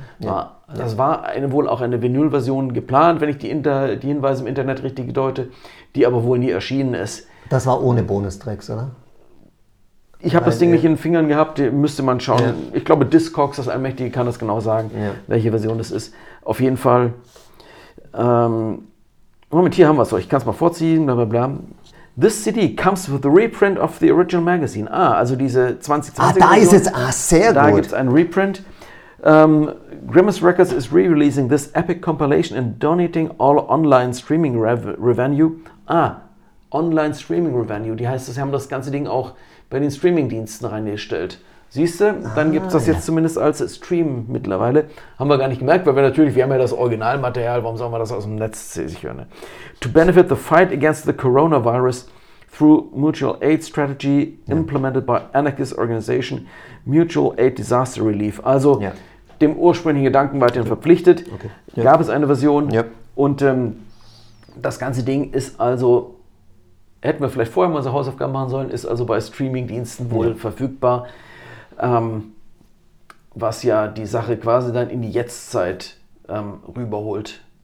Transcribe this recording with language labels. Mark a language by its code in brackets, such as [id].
[de] Das war wohl auch eine Vinylversion geplant, wenn ich die Hinweise im Internet richtig deute, die aber wohl nie erschienen ist. Das war ohne Bonustracks, oder? Ich habe das Ding nicht in den Fingern gehabt, müsste man schauen. Ja. Ich glaube, Discogs, das Allmächtige, kann das genau sagen, welche Version das ist. Auf jeden Fall. Moment, hier haben wir es. Ich kann es mal vorziehen, bla bla bla. [en] This CD comes with the reprint of the original magazine. [de] Ah, also diese 2020. Ah, da ist jetzt, sehr da gut. Da gibt es einen Reprint. [en] Grimace Records is re-releasing this epic compilation and donating all online streaming revenue. [de] Ah, [en] online streaming revenue. [de] Die heißt, sie haben das ganze Ding auch bei den Streaming-Diensten reingestellt. Siehst du, dann gibt es das jetzt zumindest als Stream mittlerweile. Haben wir gar nicht gemerkt, weil wir haben ja das Originalmaterial, warum sollen wir das aus dem Netz sichern? Ne? [en] To benefit the fight against the coronavirus through mutual aid strategy implemented by anarchist organization Mutual Aid Disaster Relief. [de] Also dem ursprünglichen Gedanken weiterhin verpflichtet, gab es eine Version. Ja. Und das ganze Ding ist also, hätten wir vielleicht vorher mal unsere Hausaufgaben machen sollen, ist also bei Streaming-Diensten wohl verfügbar. Was ja die Sache quasi dann in die Jetztzeit rüberholt.